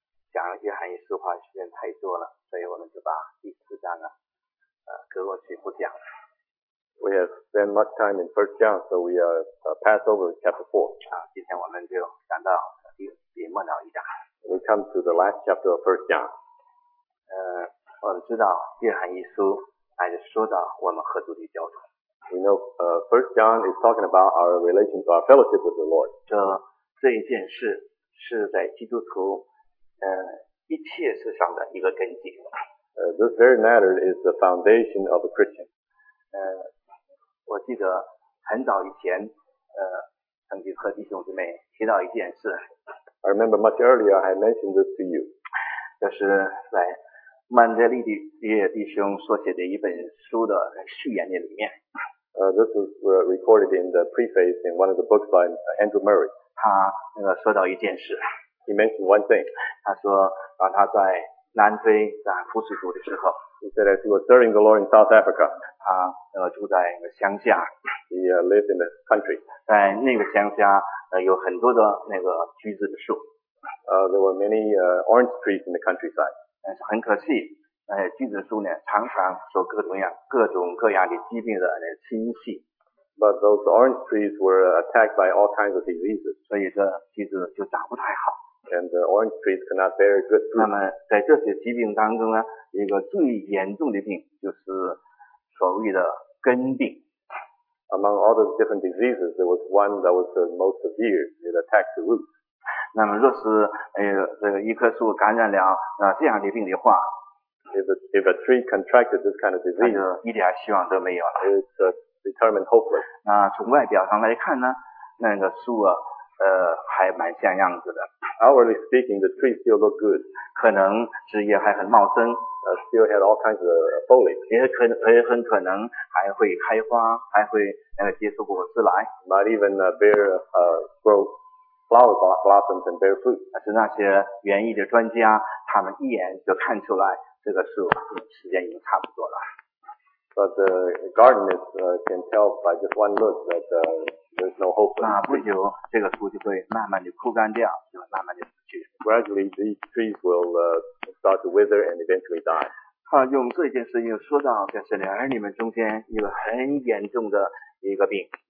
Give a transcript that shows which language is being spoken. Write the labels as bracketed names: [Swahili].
[Chinese] 讲约翰一书话时间太多了，所以我们就把第四章啊，隔过去不讲了。 [English] We have spent much time in First John, so we are pass over chapter four. [Chinese] 啊，今天我们就讲到第末了一章。 [English] We come to the last chapter of First John. [Chinese] 我们知道约翰一书还是说到我们和主的交通。 [English] We know First John is talking about our relationship, our fellowship with the Lord. [Chinese] 这一件事是在基督徒一切事上的一个根基。 [English] This very matter is the foundation of a Christian. [Chinese] 我记得很早以前，曾经和弟兄姊妹提到一件事。 [English] I remember much earlier I mentioned this to you. [Chinese] 这是在曼德利的弟兄所写的一本书的序言里面。 [English] This was recorded in the preface in one of the books by Andrew Murray. [Chinese] 他说到一件事。 [English] He mentioned one thing. [Chinese] 他说，当他在南非在服侍主的时候 [English] ，He said as he was serving the Lord in South Africa. [Chinese] 他住在一个乡下 [English] ，He lived in the country. [Chinese] 在那个乡下有很多的那个橘子的树 [English] ，There were many orange trees in the countryside. [Chinese] 但是很可惜，橘子树呢常常受各种各样的疾病的侵袭。 [English] But those orange trees were attacked by all kinds of diseases. [Chinese] 所以这橘子就长不太好。 [English] And the orange trees cannot bear good fruit. [Chinese] 那么在这些疾病当中呢，一个最严重的病就是所谓的根病。 [English] Among all the different diseases, there was one that was the most severe. It attacked the roots. [Chinese] 那么若是这个一棵树感染了这样的病的话 [English] ，If a tree contracted this kind of disease, [Chinese] 那就一点希望都没有了。 [English] It's determined hopeless. [Chinese] 那从外表上来看呢，那个树啊，还蛮像样子的。 [English] Hourly speaking, the tree still looked good. [Chinese] 可能枝叶还很茂盛。 [English] Still had all kinds of foliage. [Chinese] 也很可能还会开花，还会结出果子来。 [English] Might even bear grow flower blossoms and bear fruit. [Chinese] 但是那些园艺的专家，他们一眼就看出来这个树时间已经差不多了。 [English] But the gardeners can tell by just one look that there's no hope. [Chinese] 那不久这个树就会慢慢地枯干掉，就慢慢地死去。 [English] Gradually, these trees will start to wither and eventually die. [Chinese] 他用这件事又说到，这是两儿女们中间一个很严重的一个病。